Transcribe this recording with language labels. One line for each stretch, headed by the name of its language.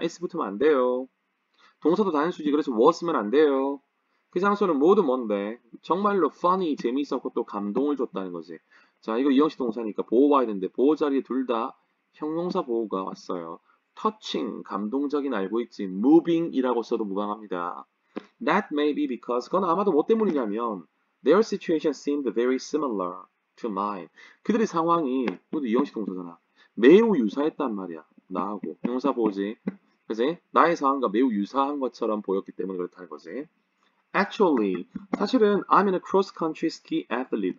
Korean: s 붙으면 안 돼요. 동사도 단수지, 그래서 was면 안 돼요. 그 장소는 모두 뭔데? 정말로 funny, 재미있었고 또 감동을 줬다는 거지. 자, 이거 이형식 동사니까 보호 와야 되는데 보호 자리에 둘 다 형용사 보호가 왔어요. touching, 감동적인 알고 있지. moving이라고 써도 무방합니다.
English: That may be because,
Korean: 그건 아마도 뭐 때문이냐면
English: their situation seemed very similar to mine.
Korean: 그들의 상황이, 이것도 이형식 동사잖아. 매우 유사했단 말이야. 나하고. 형용사 보호지. 그지? 나의 상황과 매우 유사한 것처럼 보였기 때문에 그렇다는 거지.
English: Actually, 사실은 I'm in a cross-country ski athlete.